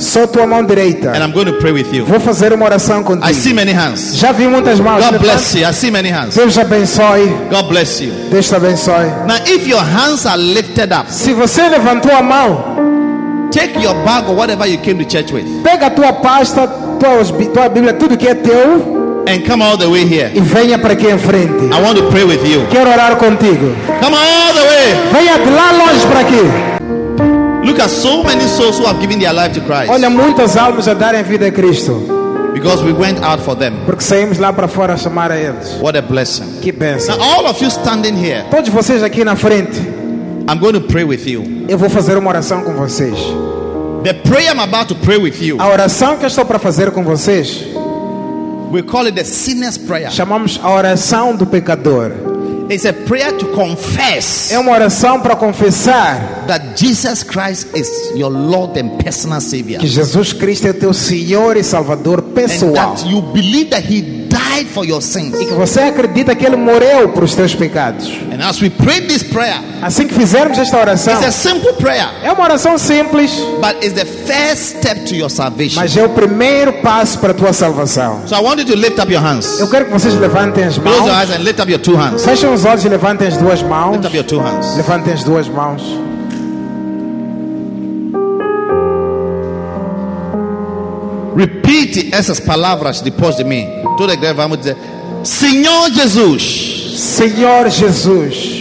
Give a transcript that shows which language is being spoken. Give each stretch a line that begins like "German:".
Portuguese: Só tua mão direita.
English: And I'm going to pray with you.
Portuguese: Vou fazer uma oração contigo.
English: I see many hands.
Portuguese: Já vi muitas mãos.
English: God bless you. I see many hands.
Portuguese: Deus abençoe.
English: God bless you.
Portuguese: Deus abençoe.
English: Now, if your hands are lifted up,
Portuguese: se você levantou a mão,
English: take your bag or whatever you came to church with.
Portuguese: Pega tua pasta, tua Bíblia, tudo que é teu.
English: And come all the way here.
Portuguese: E venha para aqui em frente.
English: I want to pray with you.
Portuguese: Quero orar contigo.
English: Come all the way.
Portuguese: Venha de lá longe para aqui.
English: Look at so many souls who have given their life to Christ.
Portuguese: Olha muitas almas a darem vida a Cristo.
English: Because we went out for them.
Portuguese: Porque saímos lá para fora a chamar a eles.
English: What a blessing.
Portuguese: Que bênção.
English: Now all of you standing here.
Portuguese: Todos vocês aqui na frente.
English: I'm going to pray with you.
Portuguese: Eu vou fazer uma oração com vocês.
English: The prayer I'm about to pray with you.
Portuguese: A oração que eu estou para fazer com vocês.
English: We call it the sinner's prayer.
Portuguese: Chamamos a oração do pecador.
English: It's a prayer to confess.
Portuguese: É uma oração para confessar
English: that Jesus Christ is your Lord and personal Savior.
Portuguese: Que Jesus Cristo é teu Senhor e Salvador pessoal.
English: And that you believe that he died died for your sins.
Portuguese: E que você acredita que ele morreu para os teus pecados.
English: And as we pray this prayer,
Portuguese: assim que fizermos esta oração,
English: it's a simple prayer,
Portuguese: é uma oração simples,
English: but it's the first step to your salvation.
Portuguese: Mas é o primeiro passo para a tua salvação.
English: So I want you to lift up your hands.
Portuguese: Eu quero que vocês levantem as mãos.
English: Close your eyes and lift up your two hands.
Portuguese: Fechem os olhos e levantem as duas mãos.
English: Lift up your two hands.
Portuguese: Levantem as duas mãos. Repite essas palavras depois de mim. Toda a igreja vamos dizer: Senhor Jesus. Senhor Jesus.